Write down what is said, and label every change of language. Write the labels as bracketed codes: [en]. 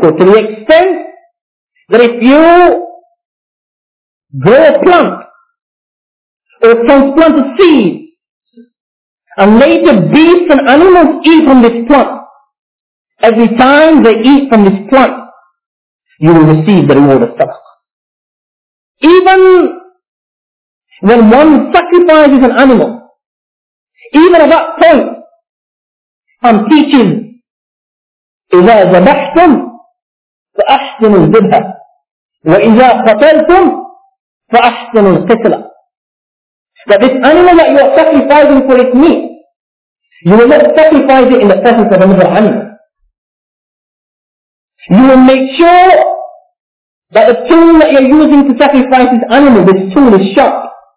[en] So to the extent that if you grow a plant or transplant a seed and later beasts and animals eat from this plant, every time they eat from this plant, you will receive the reward of sadaqah. Even when one sacrifices an animal, even at that point, I'm teaching, [ar] إِذَا زَبَحْتُمْ فأحسنوا الذبح وإذا قتلتم فأحسنوا القتلة. [en] That this animal that you are sacrificing for its meat, you will not sacrifice it in the presence of another animal. You will make sure that the tool that you are using to sacrifice this animal, this tool is sharp.